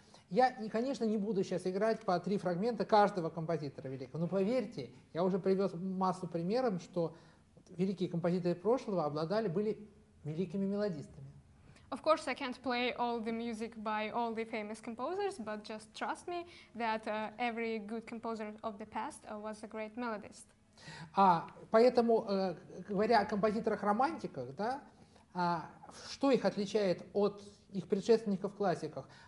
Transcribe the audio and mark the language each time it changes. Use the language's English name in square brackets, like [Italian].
[Russian] Я, конечно, не буду сейчас играть по три фрагмента каждого композитора великого, но поверьте, я уже привез массу примеров, что великие композиторы прошлого обладали, были великими мелодистами. [English] Of course, I can't play all the music by all the famous composers, but just trust me that every good composer of the past was a great melodist. [Russian] А поэтому, говоря о композиторах-романтиках, да, что их отличает от их предшественников в классиках?